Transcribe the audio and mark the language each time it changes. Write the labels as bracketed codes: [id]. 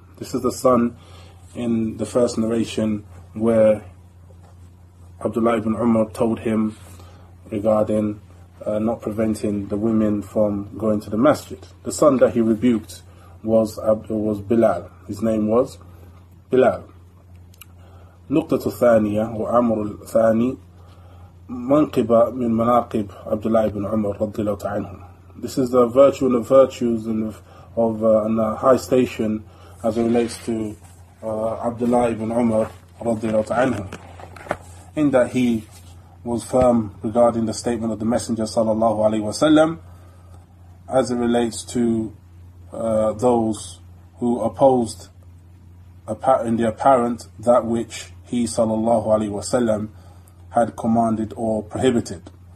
[en] This is the son in the first narration where Abdullah ibn Umar told him regarding not preventing the women from going to the masjid. The son that he rebuked was Bilal. His name was Bilal. [ar] نقطة الثانية هو أمر الثاني منقبة من مناقب عبد الله بن عمر رضي الله تعالى. [en] This is the virtue and the virtues and of a high station as it relates to عبد الله بن عمر [ar] رضي الله تعالى. [en] In that he was firm regarding the statement of the Messenger sallallahu alaihi wasallam as it relates to those who opposed in the apparent that which he sallallahu alaihi wasallam had commanded or prohibited.